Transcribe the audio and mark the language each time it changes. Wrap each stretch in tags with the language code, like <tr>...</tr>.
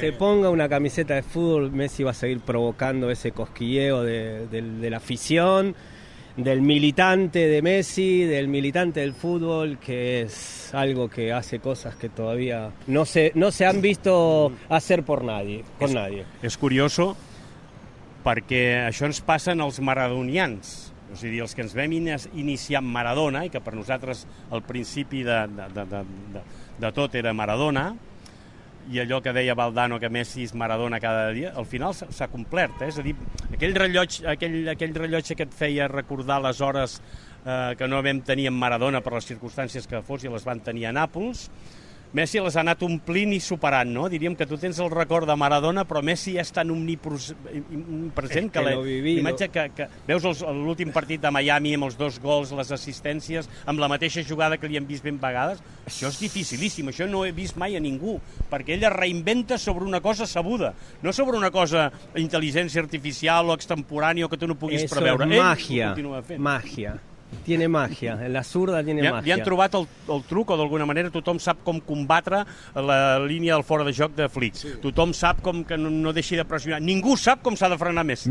<es>se ponga una camiseta de fútbol, Messi va a seguir provocando ese cosquilleo de la afición, del militante de Messi, del militante del fútbol, que es algo que hace cosas que todavía no se han visto hacer por nadie, con nadie.</es> <ca>És curioso perquè això ens passa en els maradonians, és a dir, els que ens vam iniciar amb Maradona i que per nosaltres el principi de tot era Maradona, i allò que deia Valdano, que Messi és Maradona cada dia, al final s'ha complert, eh? És a dir, aquell rellotge que et feia recordar les hores que no vam tenir en Maradona per les circumstàncies que fos i les van tenir a Nàpols, Messi les ha anat omplint i superant, no? Diríem que tu tens el record de Maradona, però Messi ja és tan omnipresent que l'imatge que veus l'últim partit de Miami amb els dos gols, les assistències, amb la mateixa jugada que li hem vist ben vegades, això és dificilíssim, això no he vist mai a ningú, perquè ella reinventa sobre una cosa sabuda, no sobre una cosa intel·ligència artificial o extemporània o que tu no puguis preveure.</ca> <es>Eso es magia, magia. Tiene magia, en la zurda tiene magia.</es> <ca>Li han trobat el truc, o d'alguna manera tothom sap com combatre la línia del fora de joc de Flick. Sí. Tothom sap com que no deixi de pressionar. Ningú sap com s'ha de frenar Messi.</ca>